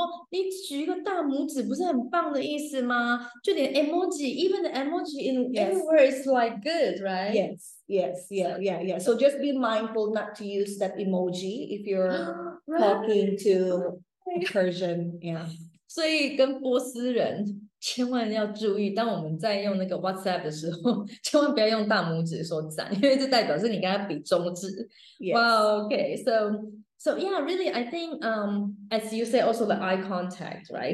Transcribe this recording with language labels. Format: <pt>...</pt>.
<zh>对，你看，所以真的，我们就想说，你举一个大拇指不是很棒的意思吗？就连</zh> <en>emoji, even the emoji in everywhere is like good, right? Yes. Yes. Yeah. Yeah. Yeah. So just be mindful not to use that emoji if you're talking to a Persian. Yeah.</en> <zh>所以跟波斯人千万要注意，当我们在用那个 WhatsApp 的时候，千万不要用大拇指说赞，因为这代表是你跟他比中指。哇，OK，</zh> <en>so so yeah, really, I think as you say, also the eye contact, right?</en>